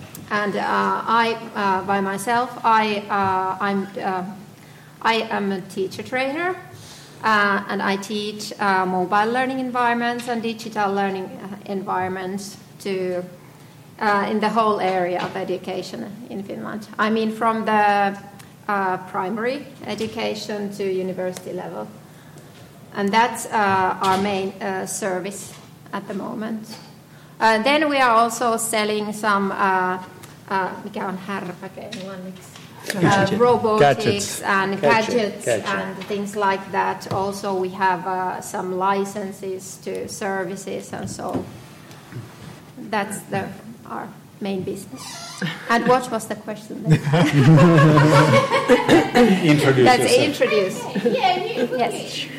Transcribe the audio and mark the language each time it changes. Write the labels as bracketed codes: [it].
[en] And I am a teacher trainer, and I teach mobile learning environments and digital learning environments to in the whole area of education in Finland. I mean, from the primary education to university level, and that's our main service at the moment. Then we are also selling some. [fi] Mikä on härpäke englanniksi? [en] Robotics and gadgets and things like that. Also, we have some licenses to services, and so that's our main business. And what was the question then? Introduce.